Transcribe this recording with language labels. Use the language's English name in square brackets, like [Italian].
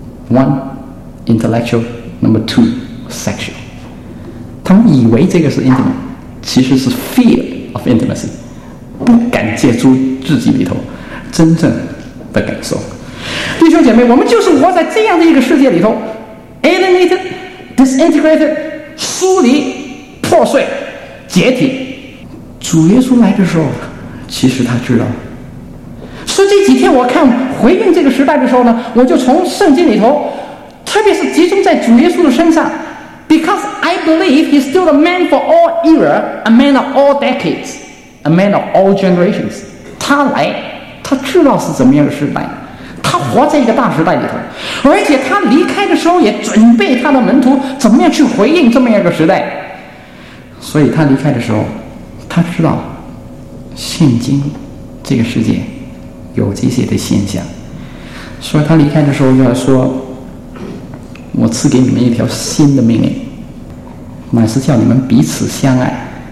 [English] One intellectual， number two sexual， [Chinese] 他们以为这个是 intimate， 其实是 [English] fear of intimacy， [Chinese] 不敢接触自己里头真正的感受。弟兄姐妹，我们就是活在这样的一个世界里头， [English] alienated， disintegrated， [Chinese] 疏离，破碎，解体。主耶稣来的时候，其实他知道。所以这几天我看回应这个时代的时候呢，我就从圣经里头，特别是集中在主耶稣的身上， [English] Because I believe he's still a man for all era， a man of all decades， a man of all generations。 [Chinese] 他来，他知道是怎么样的时代，他活在一个大时代里头，而且他离开的时候也准备他的门徒怎么样去回应这么样一个时代。所以他离开的时候，他知道现今这个世界有这些的现象，所以他离开的时候就要说，我赐给你们一条新的命令，乃是叫你们彼此相爱。